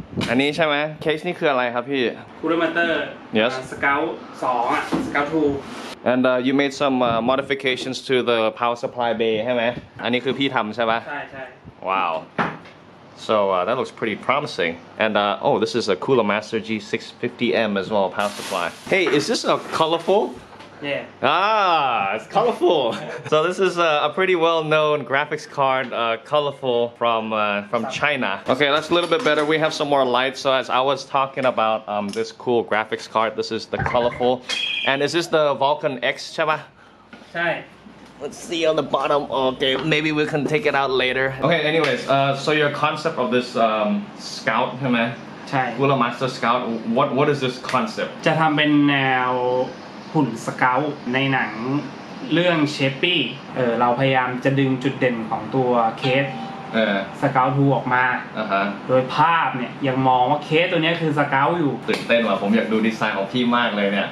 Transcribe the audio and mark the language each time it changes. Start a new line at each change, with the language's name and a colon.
Thai: อันนี้ใช่ไหมเคสนี่คืออะไรครับพี่คูลเลอร์มาสเตอร์
English: yes scout 2อ่ะ scout 2 and you made some modifications to the power supply bay
Thai: ใช่ไหมอันนี้คือพี่ทำใช่ไหม ใช่ๆ
English: wow so that looks pretty promising and oh this is a cooler master G650M as well power supply hey is this a colorful yeah ah it's colorful so this is a pretty well-known graphics card colorful from China okay that's a little bit better we have some more light so as I was talking about this cool graphics card this is the colorful and is this the Vulcan X Chaba? Hi. Let's see on the bottom okay maybe we can take it out later okay anyways so your concept of this scout Cooler Master scout what is this concept
Thai: จะทำเป็นแนวหุ่นสเกาต์ในหนังเรื่อง Chappie เราพยายามจะดึงจุดเด่นของตัวเคสสเกาต์ทูออกมาโดยภาพเนี่ยยังมองว่าเคสตัวนี้คือสเกาต์อยู่ตื่นเต้นว่ะผมอยากดูดีไซน์ของพี่มากเลยเนี่ย